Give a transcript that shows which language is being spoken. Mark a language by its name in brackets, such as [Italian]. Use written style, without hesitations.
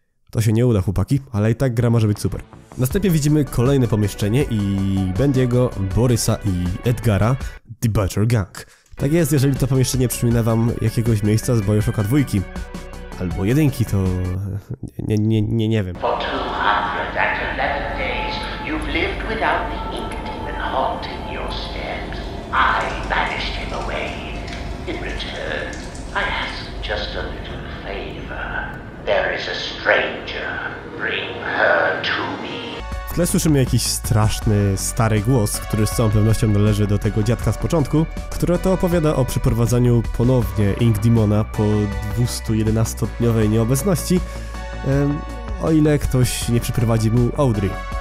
[Polish] To się nie uda, chłopaki, ale i tak gra może być super. Następnie widzimy kolejne pomieszczenie i Bendy'ego, Borysa i Edgara, The Butcher Gang. Tak jest, jeżeli to pomieszczenie przypomina wam jakiegoś miejsca z Bioshocka 2 albo 1, to nie wiem. [English] For 211 days you've lived without the ink demon haunting. I banished him away. In return, I ask just a little favor. There is a stranger. Bring her to me. [Polish] W tle słyszymy jakiś straszny, stary głos, który z całą pewnością należy do tego dziadka z początku, który to opowiada o przeprowadzaniu ponownie Ink Demona po 211-dniowej nieobecności, o ile ktoś nie przyprowadzi mu Audrey.